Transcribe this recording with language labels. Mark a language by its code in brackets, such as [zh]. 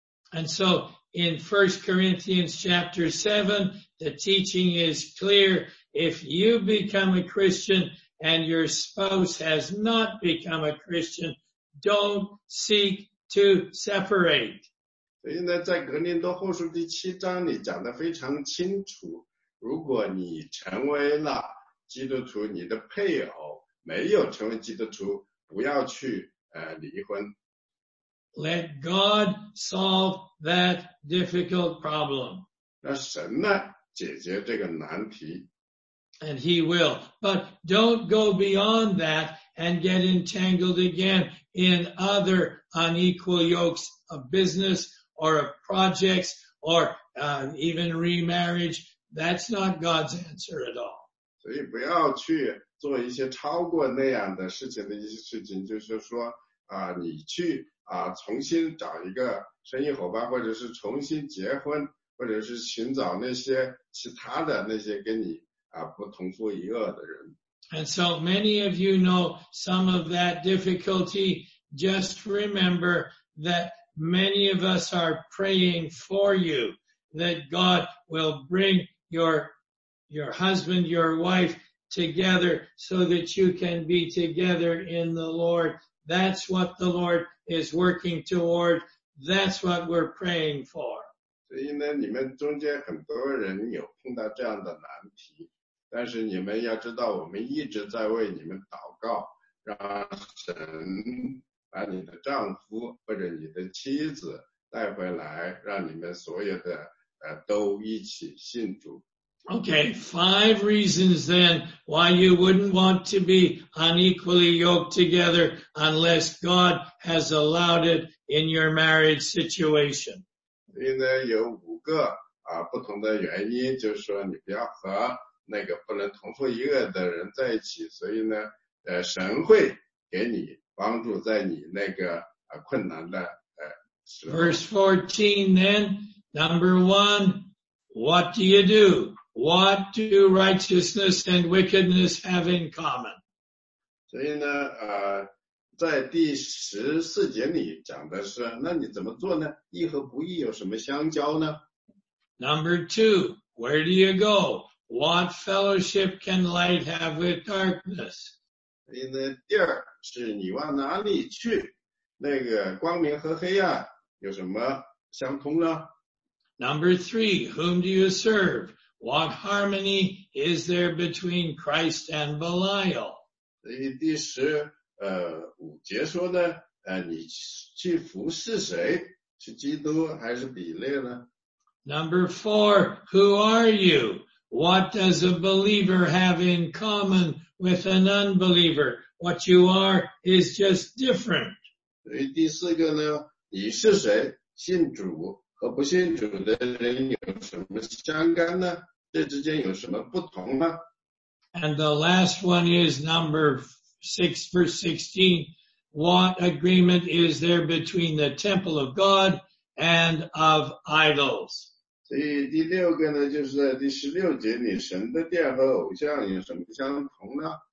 [en] And so in 1 Corinthians chapter 7, the teaching is clear. If you become a Christian and your spouse has not become a Christian, don't seek to separate. [zh] 所以呢，在格林多后书第七章里讲得非常清楚，如果你成为了基督徒，你的配偶没有成为基督徒，不要去离婚。 [en] Let God solve that difficult problem. [zh] 让神呢解决这个难题。 [en] And he will. But don't go beyond that and get entangled again in other unequal yokes of business or of projects or even remarriage. That's not God's answer at all. [zh] 所以不要去做一些超过那样的事情的一些事情，就是说啊，你去啊重新找一个生意伙伴，或者是重新结婚，或者是寻找那些其他的那些跟你啊不同父异母的人。 [en] And so many of you know some of that difficulty. Just remember that many of us are praying for you that God will bring your husband, your wife together so that you can be together in the Lord. That's what the Lord is working toward. That's what we're praying for. [zh] 所以呢，你们中间很多人有碰到这样的难题，但是你们要知道，我们一直在为你们祷告，让神把你的丈夫或者你的妻子带回来，让你们所有的都一起信主。 [en] Okay, five reasons then why you wouldn't want to be unequally yoked together unless God has allowed it in your marriage situation. [zh] 所以呢，有五个啊不同的原因，就是说你不要和那个不能同父异母的人在一起。所以呢，神会给你帮助在你那个困难的时候。 [en] Verse 14 then, number one, what do you do? What do righteousness and wickedness have in common? [zh] 所以呢，在第十四节里讲的是，那你怎么做呢？义和不义有什么相交呢？ [en] Number two, where do you go? What fellowship can light have with darkness? [zh] 所以呢，第二是你往哪里去？那个光明和黑暗有什么相通呢？ [en] Number three, whom do you serve? What harmony is there between Christ and Belial? [zh] 所以第十五节说呢，你去服侍谁？是基督还是比列呢？ [en] Number four, who are you? What does a believer have in common with an unbeliever? What you are is just different. [zh] 所以第四个呢，你是谁？信主和不信主的人有什么相干呢？这之间有什么不同吗？ [en] And the last one is number 6 verse 16. What agreement is there between the temple of God and of idols? [zh] 所以第六个呢，就是第十六节，你神的殿和偶像有什么相同呢？